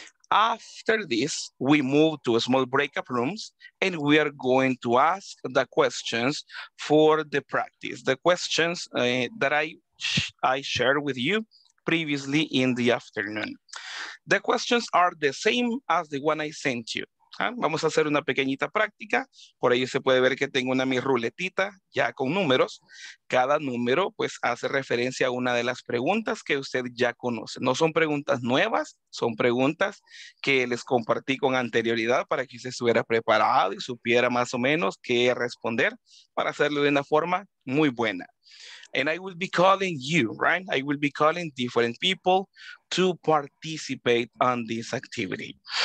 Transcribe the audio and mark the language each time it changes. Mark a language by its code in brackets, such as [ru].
[en] After this, we move to small breakout rooms, and we are going to ask the questions for the practice, the questions that I shared with you previously in the afternoon. The questions are the same as the one I sent you. [es] Vamos a hacer una pequeñita práctica. Por ahí se puede ver que tengo una mi ruletita ya con números. Cada número pues hace referencia a una de las preguntas que usted ya conoce. No son preguntas nuevas, son preguntas que les compartí con anterioridad para que usted estuviera preparado y supiera más o menos qué responder para hacerlo de una forma muy buena. [en] And I will be calling you, right? I will be calling different people to participate on this activity.